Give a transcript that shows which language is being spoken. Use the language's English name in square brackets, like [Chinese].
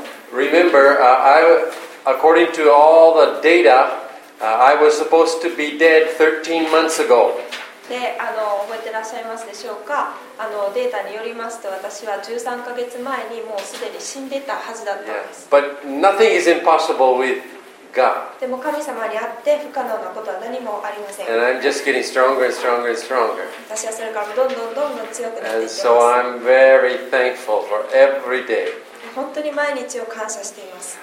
[English] Remember, according to all the data, I was supposed to be dead 13 months ago. [Japanese] で、覚えてらっしゃいますでしょうか。データによりますと、私は13ヶ月前にもうすでに死んでたはずだったんです。 [English] Yeah. But nothing is impossible with God. [Japanese] でも神様にあって不可能なことは何もありません。 [English] And I'm just getting stronger and stronger and stronger. [Japanese] 私はそれからどんどん強くなっていきます。 [English] And so I'm very thankful for every day. [Japanese] 本当に毎日を感謝しています。